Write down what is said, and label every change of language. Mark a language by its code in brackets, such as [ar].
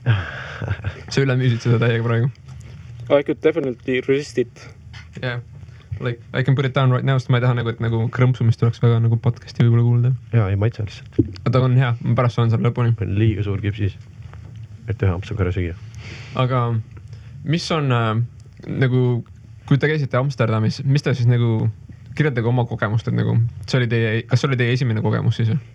[et] Sa üle müüsid seda täiega praegu. [en] I could definitely resist it. Yeah. Like, I can put it down right now, [et] sest ma ei taha nagu, et nagu krõmpsumist tuleks väga nagu podcasti võibolla kuulda. Jaa, ei maitse lihtsalt. Aga ta on hea, ma pärast saan seal lõpuni. Põen liiga suur kipsis, et teha Amsterdamis süüa. Aga mis on nagu, kui te käisite Amsterdamis, mis te siis nagu kirjeldage oma kokemust, et nagu, see oli teie, kas see oli teie esimene kokemus siis?